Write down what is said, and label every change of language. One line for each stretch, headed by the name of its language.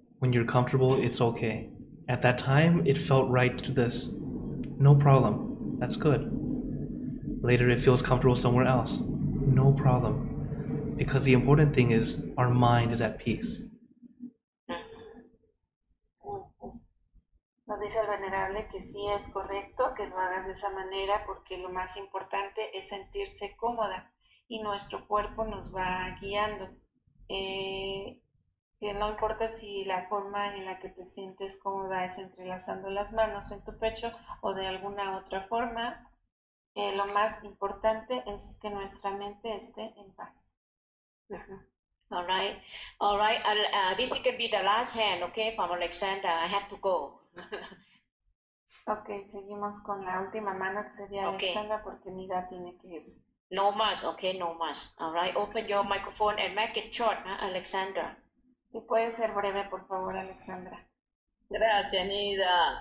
English: When you're comfortable, it's okay. At that time, it felt right to this. No problem. That's good. Later, it feels comfortable somewhere else. No problem. Because the important thing is our mind is at peace.
Spanish: Nos dice el Venerable que sí es correcto que lo hagas de esa manera porque lo más importante es sentirse cómoda y nuestro cuerpo nos va guiando. Que no importa si la forma en la que te sientes cómoda es entrelazando las manos en tu pecho o de alguna otra forma, lo más importante es que nuestra mente esté en paz.
English: All right. This can be the last hand, okay, from Alexander. I have to go.
Spanish: Okay, seguimos con la última mano que sería Alexandra porque mi edad tiene que irse. No más,
English: okay, no más. All right, open your microphone and make it short, Alexandra.
Spanish: Si puede ser breve, por favor, Alexandra. Gracias, Nida.